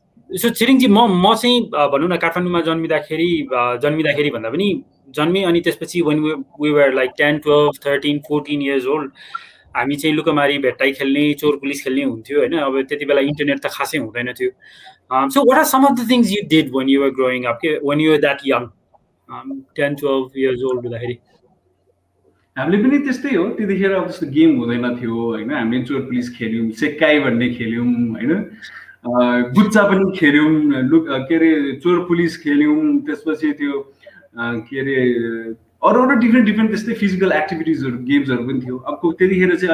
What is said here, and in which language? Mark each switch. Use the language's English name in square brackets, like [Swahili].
[Nepali] So छिरिङजी, म चाहिँ भनौँ न काठमाडौँमा जन्मिँदाखेरि भन्दा पनि जन्मे अनि त्यसपछि [English] when we were like 10, 12, 13, 14 years old [Nepali] हामी चाहिँ लुकामारी भेट्टाइ खेल्ने चोर पुलिस खेल्ने हुन्थ्यो होइन. अब त्यति बेला इन्टरनेट त खासै हुँदैन थियो. [English] So what are some of the things you did when you were growing up के when you were that young 10, 12 years old हुँदाखेरि? [Nepali] हामीले पनि त्यस्तै हो, त्यतिखेर अब त्यस्तो गेम हुँदैन थियो होइन. हामीले चोर पुलिस खेल्यौँ, सेक्काई भन्ने खेल्यौँ होइन, गुच्चा पनि खेल्यौँ, के अरे चोर पुलिस खेल्यौँ, त्यसपछि त्यो के अरे अरू डिफ्रेन्ट डिफ्रेन्ट त्यस्तै फिजिकल एक्टिभिटिजहरू गेम्सहरू पनि थियो अर्को त्यतिखेर चाहिँ.